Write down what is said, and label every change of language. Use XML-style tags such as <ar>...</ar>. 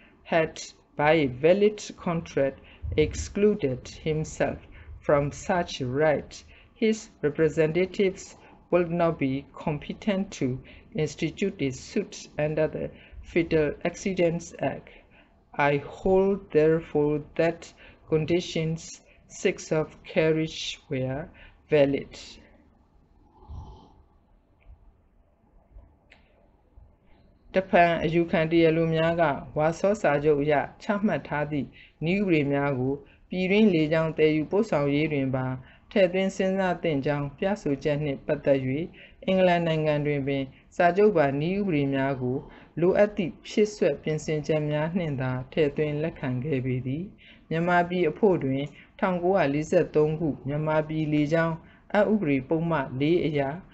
<en>had by a valid contract excluded himself from such right, his representatives will not be competent to institute a suit under the Federal Accidents Act. I hold therefore that conditions 6 of carriage were valid.</en> <my>တပံအယူခံတရားလူများကဝါဆော့စာချုပ်အရချမှတ်ထားသည့်ဤဥပဒေများကိုပြည်တွင်းလေကြောင်းတည်ယူပို့ဆောင်ရေးတွင်ပါထည့်သွင်းစဉ်းစားသင့်ကြောင်းပြဆိုချက်နှင့်ပတ်သက်၍အင်္ဂလန်နိုင်ငံတွင်ပင်စာချုပ်ပါဤဥပဒေများကိုလိုအပ်သည့်ဖြည့်ဆွက်ပြင်ဆင်ချက်များနှင့်သာထည့်သွင်းလက်ခံခဲ့ပြီးသည်မြန်မာပြည်အဖို့တွင်1943ခုမြန်မာပြည်လေကြောင်းအဥပဒေပုံမှန်၄အရာ</my>